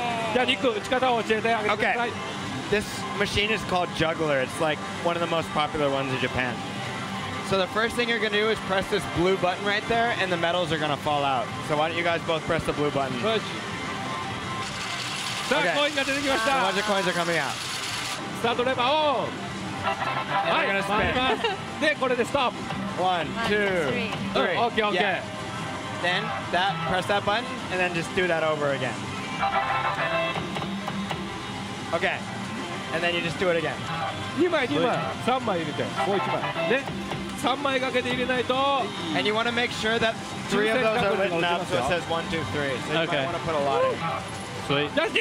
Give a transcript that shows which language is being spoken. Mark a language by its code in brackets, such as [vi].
[ja] さあ、それでは今日は123ナンバー10人気のジャグラー専門フロアにあります、こちら、ファンキージャグラーで、ちょっとやってもらいたいと思います。じゃあ、ニック、打ち方を教えてあげてください。 [en] This machine is called Juggler. It's like one of the most popular ones in Japan. So the first thing you're going to do is press this blue button right there, and the metals are going to fall out. So why don't you guys both press the blue button? Push. [ja] さあ、コインが出てきました。 [en] A bunch of coins are coming out. [ja] スタートレバーを! はい、で、これでストップ! [en] 1, 2, 3 OK, OK yeah. Then, that, press that button and then just do that over again OK And then you just do it again [ja] 2枚、2枚、3枚入れて、もう1枚で、3枚掛けて入れないと [en] And you want to make sure that 3 of those are lit up so it says 1, 2, 3 So you might want to put a lot in